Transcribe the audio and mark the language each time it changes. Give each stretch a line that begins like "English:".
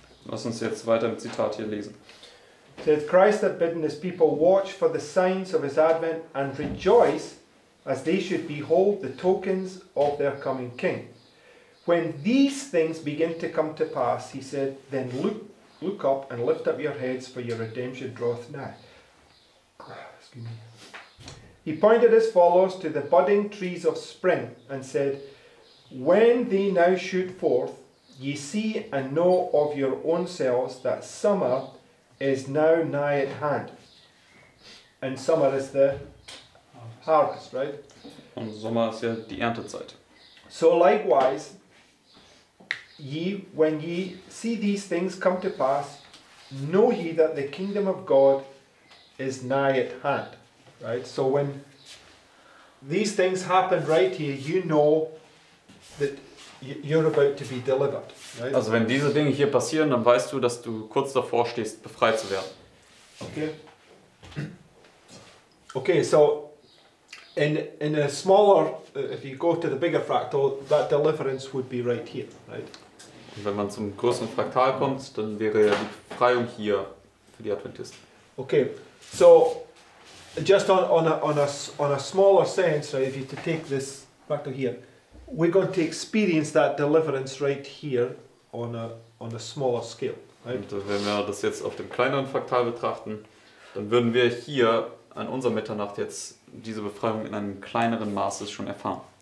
German: Lass uns jetzt weiter im Zitat hier lesen.
English: Said Christ had bidden his people watch for the signs of his advent and rejoice as they should behold the tokens of their coming king. When these things begin to come to pass, he said, then look up and lift up your heads, for your redemption draweth nigh. Excuse me. He pointed his followers to the budding trees of spring and said, when they now shoot forth, ye see and know of your own selves that summer is now nigh at hand. And summer is the harvest, right?
German: Und Sommer ist ja die Erntezeit.
English: So likewise, ye, when ye see these things come to pass, know ye that the kingdom of God is nigh at hand. Right? So when these things happen right here, you know that you're about to be delivered. Right?
German: Also wenn diese Dinge hier passieren, dann weißt du, dass du kurz davor stehst, befreit zu werden.
English: Okay. Okay, so in a smaller, if you go to the bigger fractal, that deliverance would be right here, right?
German: Und wenn man zum größeren Fraktal kommt, dann wäre ja die Befreiung hier für die Adventisten.
English: Okay, so just on a smaller sense, right, if you to take this fractal here, we're going to experience that deliverance right here on a smaller scale. Right?
German: Und wenn wir das jetzt auf dem kleineren Fraktal betrachten, dann würden wir hier an unserer Mitternacht jetzt diese Befreiung in einem kleineren Maße schon erfahren.